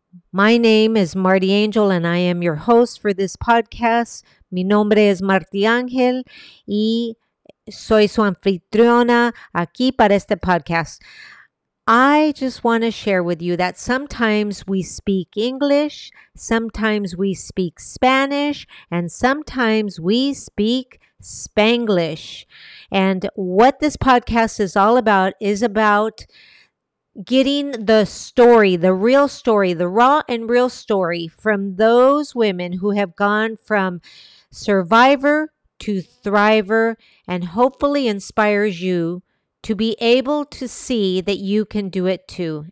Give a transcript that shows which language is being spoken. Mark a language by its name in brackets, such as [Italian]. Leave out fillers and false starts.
[English] My name is Marty Angel, and I am your host for this podcast. [Spanish] Mi nombre es Marty Angel, y soy su anfitriona aquí para este podcast. [English] I just want to share with you that sometimes we speak English, sometimes we speak Spanish, and sometimes we speak Spanglish. And what this podcast is about getting the story, the real story, the raw and real story from those women who have gone from survivor to thriver, and hopefully inspires you to be able to see that you can do it too.